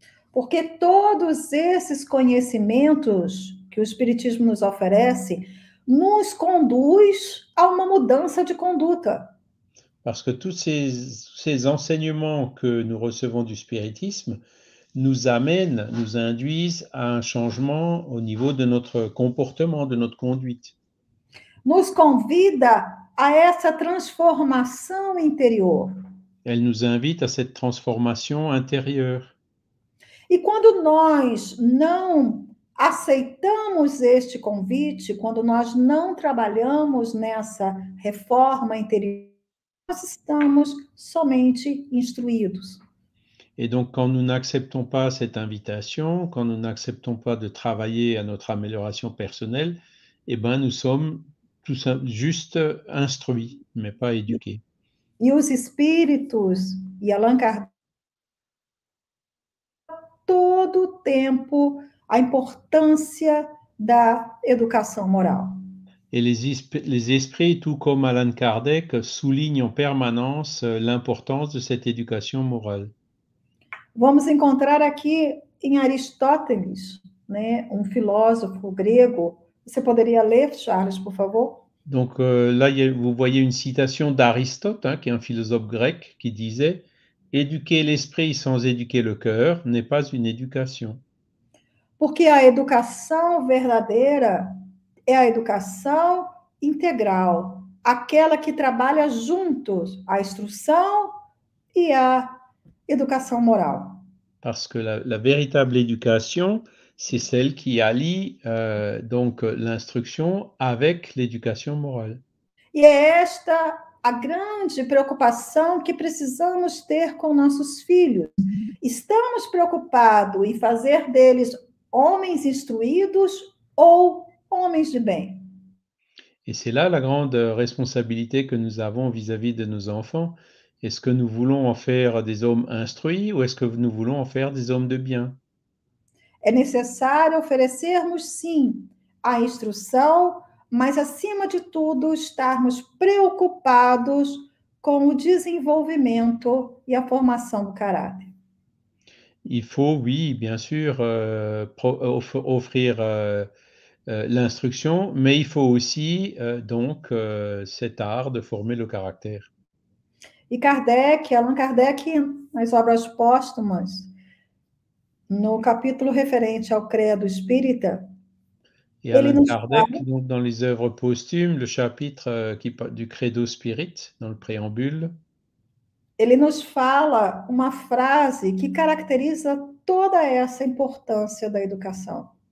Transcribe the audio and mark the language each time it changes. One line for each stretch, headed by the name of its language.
Portuguese: Porque todos esses conhecimentos que o Espiritismo nos oferece nos conduz a uma mudança de conduta.
French: Parce que tous ces enseignements que nous recevons du spiritisme nous amènent, nous induisent à un changement au niveau de notre comportement, de notre conduite.
Portuguese: Nos convida a essa transformação interior.
French: Elle nous invite à cette transformation intérieure.
Portuguese: E quando nós não aceitamos este convite, quando nós não trabalhamos nessa reforma interior, nós estamos somente instruídos.
French: Et donc, quand nous n'acceptons pas cette invitation, quand nous n'acceptons pas de travailler à notre amélioration personnelle, eh ben, nous sommes tout juste instruits, mais pas éduqués.
Portuguese: E os espíritos e Allan Kardec todo o tempo a importância da educação moral.
French: Et les esprits, tout comme Allan Kardec, soulignent en permanence l'importance de cette éducation morale.
Portuguese: Vamos encontrar aqui em Aristóteles, né, um filósofo grego. Você poderia ler, Charles, por favor?
French: Donc vous voyez une citation d'Aristote, hein, qui est un philosophe grec, qui disait: Éduquer l'esprit sans éduquer le cœur n'est pas une éducation.
Portuguese: Porque a educação verdadeira é a educação integral, aquela que trabalha juntos a instrução e a educação moral.
French: Parce que la véritable éducation, c'est celle qui allie donc l'instruction avec l'éducation morale.
Portuguese: E é esta a grande preocupação que precisamos ter com nossos filhos. Estamos preocupados em fazer deles homens instruídos ou homens de bem.
French: Et c'est là la grande responsabilité que nous avons vis-à-vis de nos enfants. Est-ce que nous voulons en faire des hommes instruits ou est-ce que nous voulons en faire des hommes de bien?
Portuguese: É necessário oferecermos, sim, a instrução, mas, acima de tudo, estarmos preocupados com o desenvolvimento e a formação do caráter.
French: Il faut, oui, bien sûr, offrir l'instruction, mais il faut aussi cet art de former le caractère.
Portuguese: E Kardec, Allan Kardec, nas obras póstumas, no capítulo referente ao Credo Espírita,
French: Et
Portuguese: ele
French: Allan
Portuguese: nos
French: Kardec,
Portuguese: fala.
French: donc dans les œuvres posthumes, le chapitre du Credo Spirit, dans le préambule.
Portuguese: Ele nos fala uma frase que caracteriza toda essa importância da educação.